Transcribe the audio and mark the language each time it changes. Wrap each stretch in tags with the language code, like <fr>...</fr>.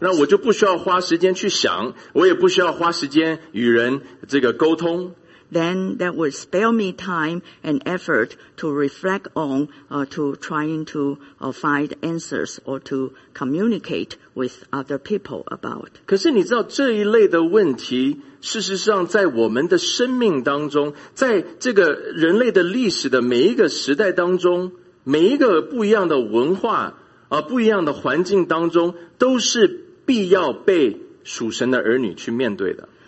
<zh>那我就不需要花时间去想，我也不需要花时间与人这个沟通。</zh> <en>then that would spare me time and effort to reflect on to trying to find answers or to communicate with other people about.</en> <zh>可是你知道这一类的问题事实上在我们的生命当中在这个人类的历史的每一个时代当中每一个不一样的文化不一样的环境当中都是必要被属神的儿女去面对的。</zh>